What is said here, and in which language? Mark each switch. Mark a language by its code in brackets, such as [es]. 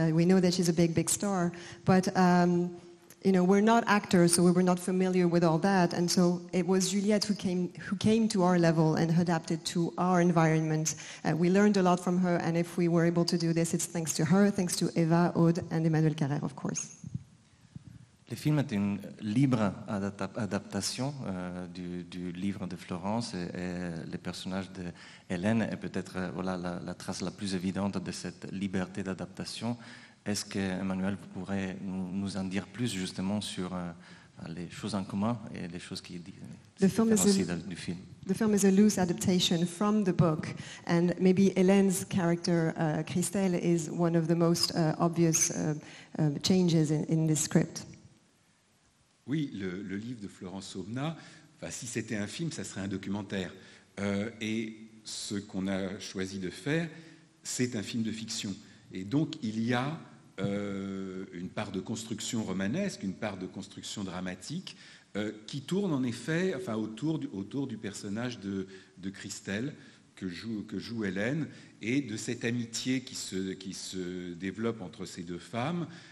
[en] We know that she's a big, big star. But, you know, we're not actors, so we were not familiar with all that. And so it was Juliette who came to our level and adapted to our environment. We learned a lot from her, and if we were able to do this, it's thanks to her, thanks to Eva, Aude and Emmanuel Carrère, of course. [fr] Le film est une libre adaptation du livre de Florence et le personnage d'Hélène est peut-être voilà, la trace la plus évidente de cette liberté d'adaptation. Est-ce que Emmanuel, vous pourrez nous en dire plus justement sur les choses en commun et les choses qui différencient du film? [en] The film is a loose adaptation from the book, and maybe Hélène's character, Christelle, is one of the most obvious changes in this script. [fr] Oui, le livre de Florence Aubenas, enfin, si c'était un film, ça serait un documentaire. Et ce qu'on a choisi de faire, c'est un film de fiction. Et donc, il y a une part de construction romanesque, une part de construction dramatique, qui tourne en effet enfin, autour du personnage de Christelle, que joue Hélène, et de cette amitié qui se développe entre ces deux femmes.